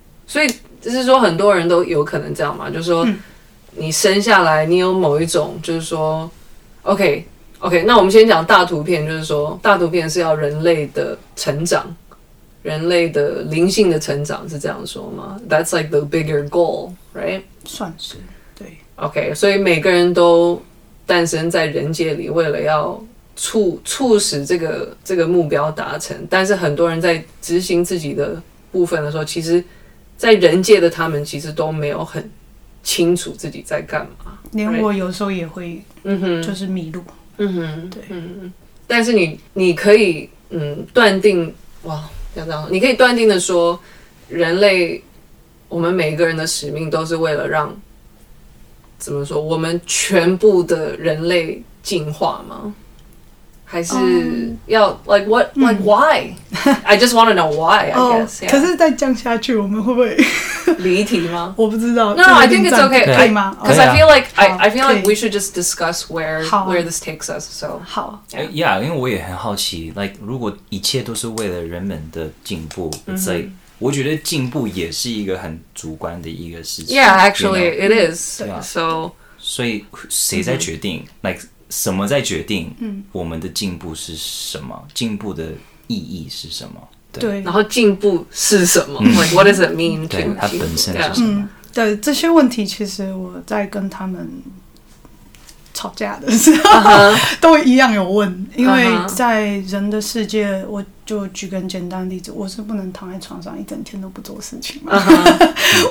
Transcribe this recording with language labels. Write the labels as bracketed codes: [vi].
[zh] 所以就是说很多人都有可能这样嘛，就是说你生下来你有某一种，就是说 OK 那我们先讲大图片，就是说大图片是要人类的成长，人类的灵性的成长，是这样说吗？ [en] That's like the bigger goal, right? [zh] 算是，对。 OK， 所以每个人都诞生在人界里为了要促使这个目标达成，但是很多人在执行自己的部分的时候，其实在人界的他们其实都没有很清楚自己在干嘛，连我有时候也会，就是迷路，嗯哼，对，嗯，但是你可以，断定，哇，要这样，你可以断定的说，人类，我们每一个人的使命都是为了让，怎么说，我们全部的人类进化吗？还是要、 [en] like what like why? I just want to know why, I guess.、Yeah. [zh] 可是再降下去我们会不会离题吗？我不知道。 [en] No, I think it's okay. [zh] 可以吗？ [en] Because、yeah. I feel like, I feel like we should just discuss where this takes us. So, [zh] 好。 Yeah, 因为我也很好奇， like, 如果一切都是为了人们的进步、it's like,、我觉得进步也是一个很主观的一个事情。 [en] Yeah, actually, you know? It is. So, [zh] 所以谁在决定、like,什么在决定我们的进步是什么？进、步的意义是什么？对，然后进步是什么、like, ？ [en] What does it mean？ [zh] 对，它本身是什么？对，这些问题其实我在跟他们吵架的时候、都一样有问，因为在人的世界，我就举个很简单的例子，我是不能躺在床上一整天都不做事情嘛？ Uh-huh.